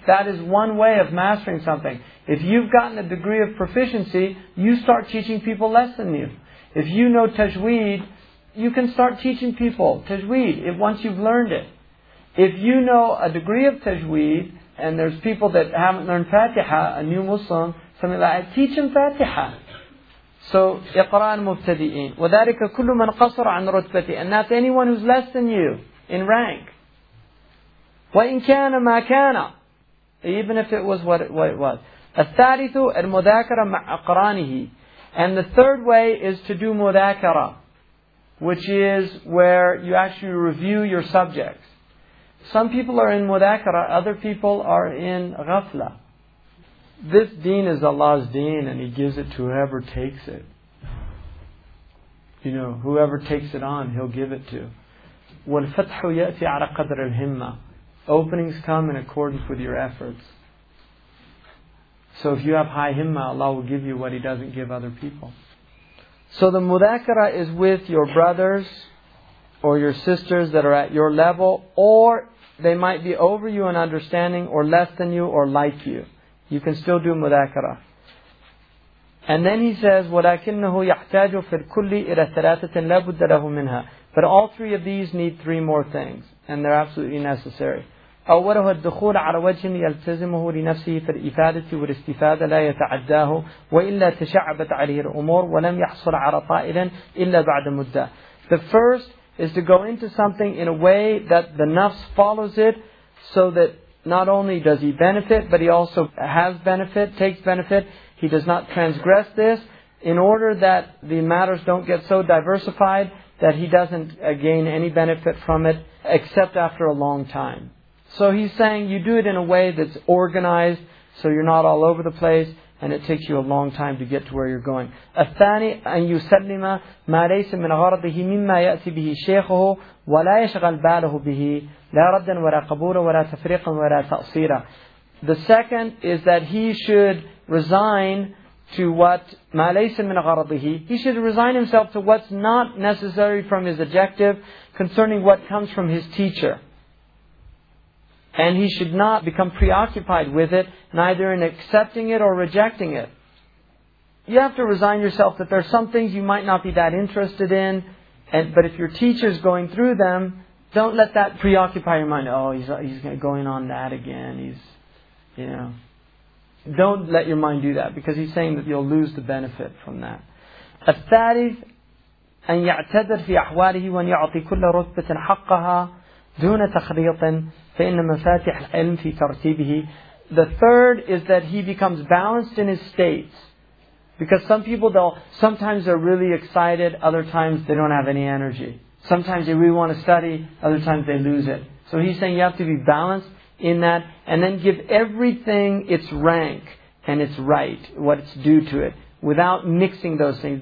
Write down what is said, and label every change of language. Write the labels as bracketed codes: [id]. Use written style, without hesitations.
[en] That is one way of mastering something. If you've gotten a degree of proficiency, you start teaching people less than you. If you know tajweed, you can start teaching people tajweed once you've learned it. If you know a degree of tajweed, and there's people that haven't learned Fatiha, a new Muslim, something like that, teach them Fatiha. [ar] So, اقرأ المبتدئين وذلك كل من قصر عن رتبتي. [en] And that's anyone who's less than you in rank. [ar] وإن كان ما كان. [en] Even if it was what it was. [ar] الثالث المذاكرة مع أقرانه. [en] And the third way is to do مذاكرة, which is where you actually review your subjects. Some people are in مذاكرة, other people are in غفلة. This deen is Allah's deen and He gives it to whoever takes it. You know, whoever takes it on, He'll give it to. [ar] وَالْفَتْحُ يَأْتِي عَلَى قَدْرِ الْهِمَّةِ. [en] Openings come in accordance with your efforts. So if you have high himma, Allah will give you what He doesn't give other people. So the mudhakara is with your brothers or your sisters that are at your level, or they might be over you in understanding or less than you or like you. You can still do mudhakara. And then he says, [ar] وَلَكِنَّهُ يَحْتَاجُ فِي الْكُلِّ إِلَى ثَلَاثَةٍ لَا بُدَّ لَهُ مِنْهَا. [en] But all three of these need three more things, and they're absolutely necessary. [ar] أَوَّلُهُ الدُّخُولَ عَلَى وَجْهٍ يَلْتَزِمُهُ لِنَفْسِهِ فِي الْإِفَادَةِ وَالْإِسْتِفَادَ لَا يَتَعَدَّاهُ وَإِلَّا تَشَعَّبَتْ عَلِهِ الْأُمُورُ وَلَمْ يَحْصُلْ عَلَى طَائِلٍ إِلَّا بَعْدَ مُدَّةٍ. [en] The first is to go into something in a way that the nafs follows it, so that not only does he benefit, but he also has benefit, takes benefit. He does not transgress this, in order that the matters don't get so diversified that he doesn't gain any benefit from it, except after a long time. So he's saying you do it in a way that's organized, so you're not all over the place, and it takes you a long time to get to where you're going. [ar] الثاني أن يسلم ما ليس من غرضه مما يأتي به شيخه ولا يشغل باله به لا ردا ولا قبولا ولا تفريقا ولا تأصيرا. [en] The second is that he should resign to what [ar] ma laysa min gharadihi. [en] He should resign himself to what's not necessary from his objective concerning what comes from his teacher. And he should not become preoccupied with it, neither in accepting it or rejecting it. You have to resign yourself that there are some things you might not be that interested in, but if your teacher is going through them, don't let that preoccupy your mind. Oh, he's going on that again. Don't let your mind do that, because he's saying that you'll lose the benefit from that. [ar] الثالث أن يعتذر في أحواله وأن يعطي كل رتبة حقها دون تخريط فإن مفاتيح العلم في ترتيبه. [en] The third is that he becomes balanced in his states, because some people, they'll sometimes they're really excited, other times they don't have any energy. Sometimes they really want to study, other times they lose it. So he's saying you have to be balanced in that, and then give everything its rank and its right, what it's due to it, without mixing those things.